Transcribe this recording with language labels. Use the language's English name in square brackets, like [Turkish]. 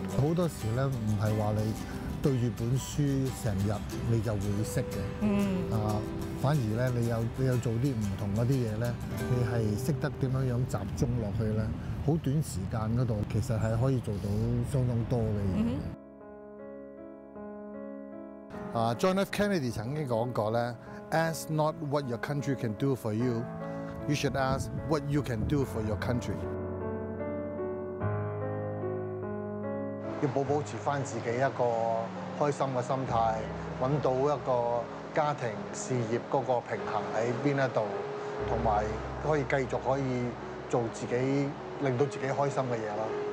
[Cantonese] 好多时咧，唔系话你对住本书成日你就会识嘅。嗯。啊。反而咧，你有做啲唔同嗰啲嘢咧，你係識得點樣樣集中落去咧，好短時間嗰度其實係可以做到相當多嘅嘢。啊 ，John F. [English] Kennedy [Cantonese] 曾經講過咧 [English] ，Ask not what your country can do for you, you should ask what you can do for your country。 [Cantonese] 要保持翻自己一個開心嘅心態，揾到一個家庭事業嗰個平衡喺邊一度，同埋可以繼續可以做自己令到自己開心嘅嘢咯。